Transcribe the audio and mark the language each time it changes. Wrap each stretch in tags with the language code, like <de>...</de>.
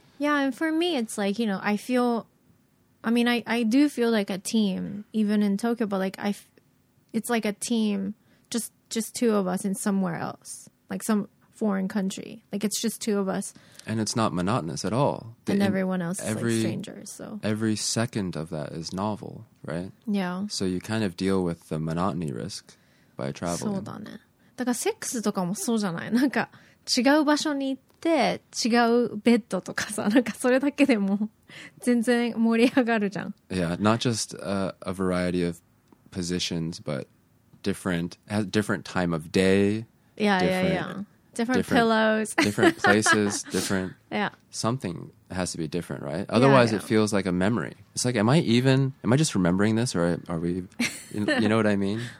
<en>yeah, and for me, it's like, you know, I feel, I mean, I do feel like a team, even in Tokyo, but like, it's like a team, just two of us in somewhere else, like some foreign country. Like, it's just two of us. And it's not monotonous at all. And everyone else is like strangers, so. Every second of that is novel, right? Yeah. So you kind of deal with the monotony risk by traveling.</en> <ja>そうだね。だからセックスとかもそうじゃない。なんか違う場所に行って違うベッドとかさ、なんかそれだけでも全然盛り上がるじゃん。</ja> <en>Yeah, not just a variety of positions, but different time of day. Yeah, yeah, yeah. Different pillows. Different places, different. Yeah. Something has to be different, right? Otherwise, it feels like a memory. It's like, am I just remembering this, or are we, you know what I mean?</en>